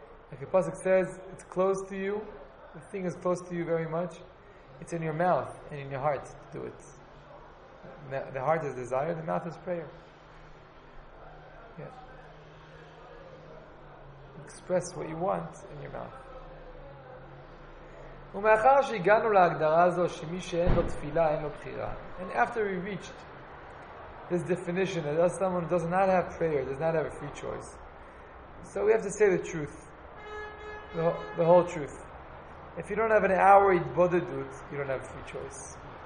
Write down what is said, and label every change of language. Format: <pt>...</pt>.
<en>Like the pasuk says, it's close to you, the thing is close to you very much. It's in your mouth and in your heart to do it. The heart is desire, the mouth is prayer. Yeah. Express what you want in your mouth.</en> <he>ומאחר שהגענו להגדרה הזו שמי שאין לו תפילה אין לו בחירה.</he> <en>And after we reached this definition that someone who does not have prayer, does not have a free choice. So we have to say the truth, the whole truth. If you don't have an hour hidbodedut, you don't have a free choice.</en>